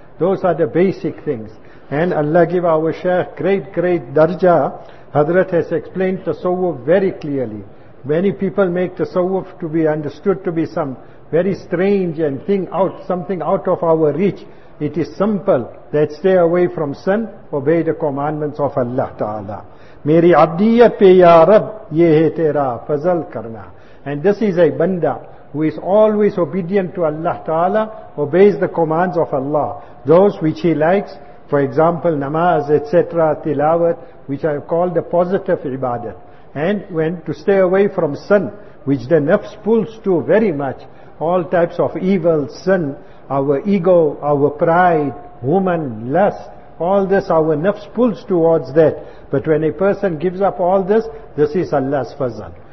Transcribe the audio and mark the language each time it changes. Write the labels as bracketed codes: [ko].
[en] Those are the basic things. And Allah give our Shaykh great, great darja. Hadrat has explained tasawwuf very clearly. Many people make tasawwuf to be understood to be some very strange and thing out, something out of our reach. It is simple that stay away from sin, obey the commandments of Allah Ta'ala. [ur] میری عبدیت پہ یا رب یہ ہے تیرا فضل کرنا. [en] And this is a banda who is always obedient to Allah Ta'ala, obeys the commands of Allah. Those which he likes, for example namaz, etc., tilawat, which I call the positive ibadat. And when to stay away from sin, which the nafs pulls to very much, all types of evil, sin, our ego, our pride, woman, lust, all this our nafs pulls towards that. But when a person gives up all this, this is Allah's fazal.